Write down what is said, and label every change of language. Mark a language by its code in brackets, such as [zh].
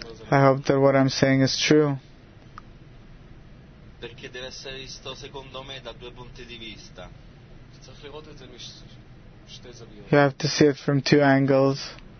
[en] I hope that what I'm saying is true. [it] Perché deve essere visto, secondo me, da due punti di vista. [en] You have to see it from two angles.